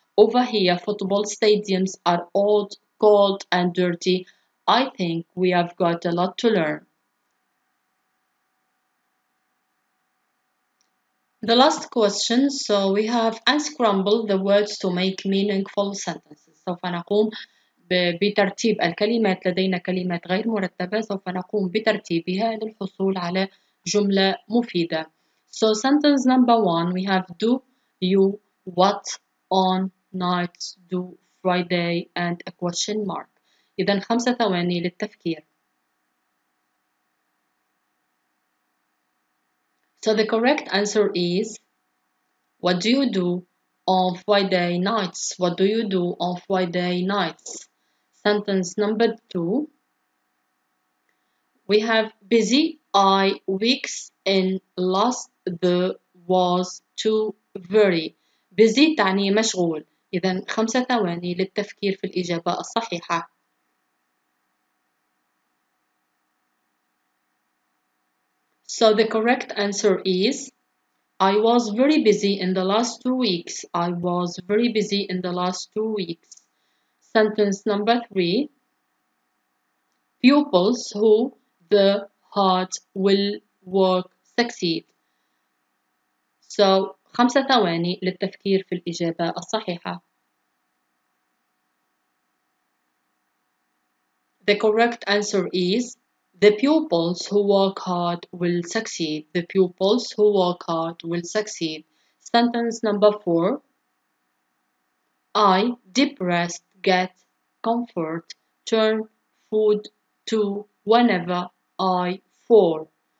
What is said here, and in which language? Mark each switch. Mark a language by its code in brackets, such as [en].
[en] Over here, football stadiums are old, cold and dirty. I think we have got a lot to learn. The last question, so we have unscrambled the words to make meaningful sentences. [ar] سوف نقوم بترتيب الكلمات. لدينا كلمات غير مرتبة. سوف نقوم بترتيبها للحصول على جملة مفيدة. [en] So sentence number one, we have do you what on nights do Friday and a question mark. [ar] إذن 5 ثواني للتفكير. [en] So the correct answer is, what do you do on Friday nights? What do you do on Friday nights? Sentence number two. We have busy I weeks in last the was too very. [ar] Busy تعني مشغول. إذن 5 ثواني للتفكير في الإجابة الصحيحة. [en] So the correct answer is, I was very busy in the last 2 weeks. I was very busy in the last 2 weeks. Sentence number three. Pupils who the hard will work succeed. [ar] So 5 ثواني للتفكير في الإجابة الصحيحة. [en] The correct answer is, the pupils who work hard will succeed. The pupils who work hard will succeed. Sentence number four. I, depressed, get comfort, turn food to whenever I fall.